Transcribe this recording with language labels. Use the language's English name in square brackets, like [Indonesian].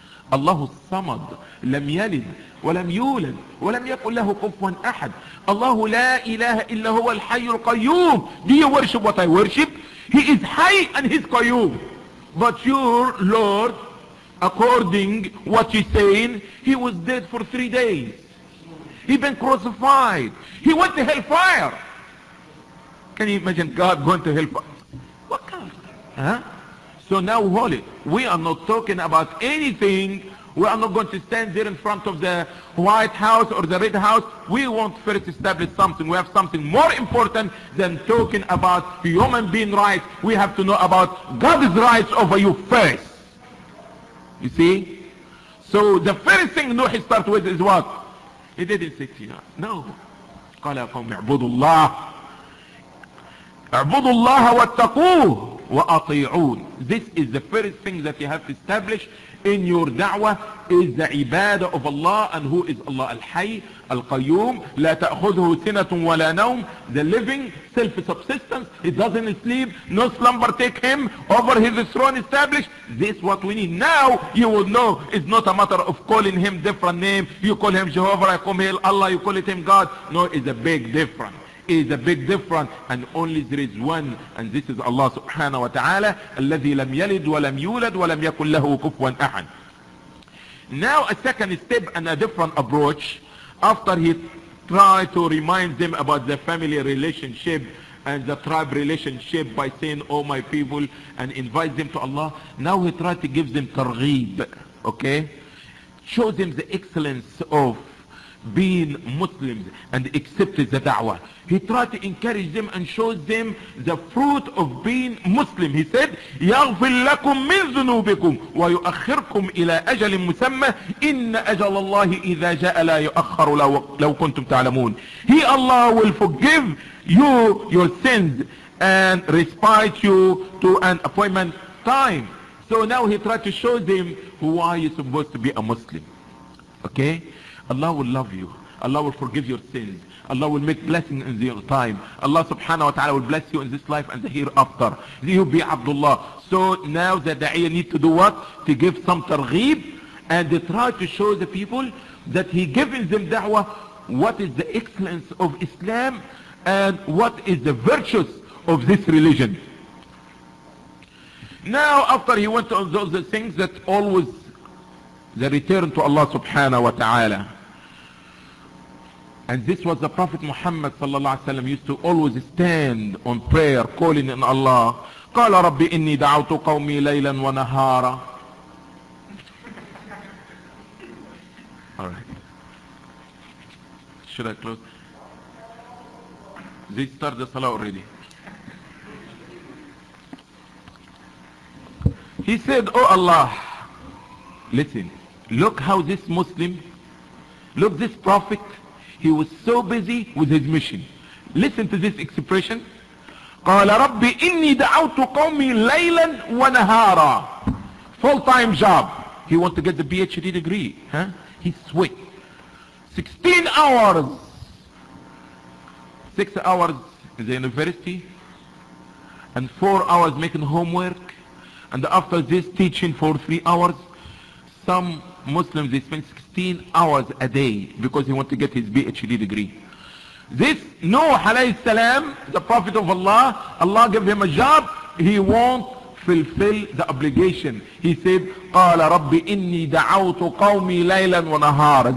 [Arabic] الله الصمد، لم يلد ولم يولد ولم يكن له كفوا أحد. الله لا إله إلا هو الحي القيوم. [English] Do you worship what I worship? He is high and he is قيوم. But your Lord, according what you're saying, he was dead for 3 days. He been crucified. He went to hellfire. Can you imagine God going to hellfire? What kind? Huh? So now holy, we are not talking about anything. We are not going to stand there in front of the White House or the Red House. We want first establish something. We have something more important than talking about human being rights. We have to know about God's rights over you first. You see? So the first thing Nuh started with is what? He didn't say to you. No. [Arabic] قال قوم اعبدوا الله. اعبدوا الله واتقوه واطيعون. [English] This is the first thing that you have to establish in your da'wah is the ibadah of Allah and who is Allah al-hayy, al-qayyum, [Arabic] لا تأخذه سنة ولا نوم, [English] the living, self-subsistence, he doesn't sleep, no slumber take him, over his throne established, this what we need. Now you will know it's not a matter of calling him different name, you call him Jehovah, I call him Allah, you call it him God, no, it's a big difference. Is a big difference, and only there is one, and this is Allah subhanahu wa ta'ala, [Arabic] الذي لم يلد ولم يولد ولم يكن له كفوا أحد. [English] Now a second step and a different approach, after he tried to remind them about the family relationship and the tribe relationship by saying, oh my people, and invite them to Allah, now he tried to give them targheeb, okay? Show them the excellence of being Muslims and accepted the da'wah. He tried to encourage them and show them the fruit of being Muslim. He said, [Arabic] يغفر لكم من ذنوبكم ويؤخركم إلى أجل مسمى إن أجل الله إذا جاء لا يؤخر لو كنتم تعلمون. [English] He Allah will forgive you your sins and respite you to an appointment time. So now he tried to show them why you're supposed to be a Muslim. Okay? Allah will love you. Allah will forgive your sins. Allah will make blessing in your time. Allah subhanahu wa ta'ala will bless you in this life and the hereafter. You be Abdullah. So now the da'iya need to do what? To give some targheeb and they try to show the people that he giving them da'wah, what is the excellence of Islam and what is the virtues of this religion. Now after he went on those the things that always the return to Allah subhanahu wa ta'ala. And this was the Prophet Muhammad sallallahu alayhi wa sallam used to always stand on prayer calling in Allah. [Arabic] قال ربي إني دعوت قومي ليلا ونهارا. [English] Alright. Should I close? They start the salah already. He said, oh Allah, listen. Look how this Muslim, look this Prophet, he was so busy with his mission. Listen to this expression. [Arabic] قال ربي إني دعوت قومي ليلا ونهارا. [English] Full time job. He want to get the PhD degree. Huh? He sweat. 16 hours. 6 hours in the university. And 4 hours making homework. And after this teaching for 3 hours. Some Muslims, they spend 16 hours a day because he want to get his PhD degree. This Nuh alayhi salam, the Prophet of Allah, Allah gave him a job. He won't fulfill the obligation. He said, [Arabic] قال ربي إني دعوت قومي ليلا ونهارا.